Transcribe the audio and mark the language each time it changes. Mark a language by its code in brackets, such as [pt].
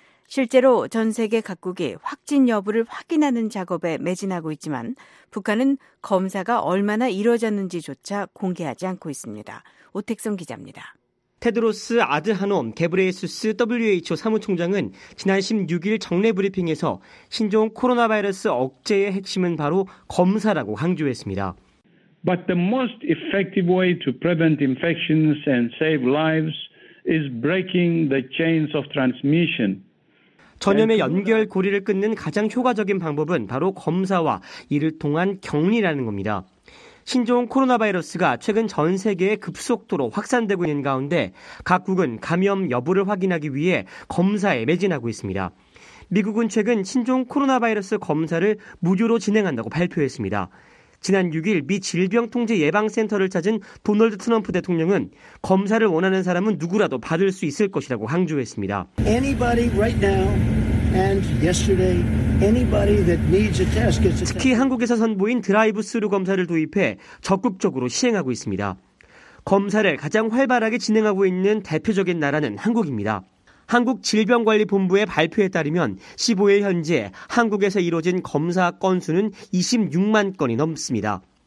[ko] 실제로 전 세계 각국이 확진 여부를 확인하는 작업에 매진하고 있지만 북한은 검사가 얼마나 이루어졌는지조차 공개하지 않고 있습니다. 오택성 기자입니다. 테드로스 아드하놈 게브레이수스 WHO 사무총장은 지난 16일 정례 브리핑에서 신종 코로나 바이러스 억제의 핵심은 바로 검사라고 강조했습니다. [en] But the most effective way to prevent infections and save lives is breaking the chains of transmission. [ko] 전염의 연결 고리를 끊는 가장 효과적인 방법은 바로 검사와 이를 통한 격리라는 겁니다. 신종 코로나 바이러스가 최근 전 세계에 급속도로 확산되고 있는 가운데 각국은 감염 여부를 확인하기 위해 검사에 매진하고 있습니다. 미국은 최근 신종 코로나 바이러스 검사를 무료로 진행한다고 발표했습니다. 지난 6일 미 질병통제예방센터를 찾은 도널드 트럼프 대통령은 검사를 원하는 사람은 누구라도 받을 수 있을 것이라고 강조했습니다. [en] Anybody right now and yesterday, anybody that needs a test gets a test. [ko] 특히 한국에서 선보인 드라이브스루 검사를 도입해 적극적으로 시행하고 있습니다. 검사를 가장 활발하게 진행하고 있는 대표적인 나라는 한국입니다. 한국질병관리본부의 발표에 따르면 15일 현재 한국에서 이루어진 검사 건수는 26만 건이 넘습니다.